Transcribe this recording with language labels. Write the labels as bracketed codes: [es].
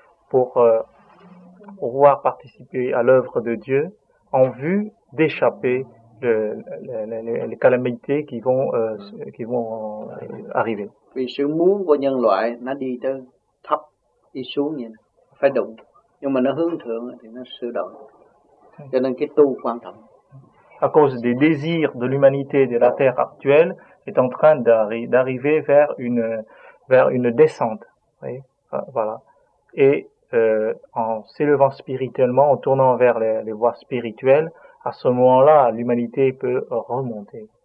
[fr] Pour pouvoir participer à l'œuvre de Dieu en vue d'échapper les calamités qui vont arriver. [vi] Vì sự muốn của nhân loại nó đi tới thấp đi xuống như này, phải đụng, nhưng mà nó hướng thượng thì nó sửa đổi. Cho nên cái tu quan trọng. [fr] À cause des désirs de l'humanité de la terre actuelle est en train d'arriver vers une descente. Voyez, voilà. Et en s'élevant spirituellement, en tournant vers les voies spirituelles, à ce moment-là, l'humanité peut remonter.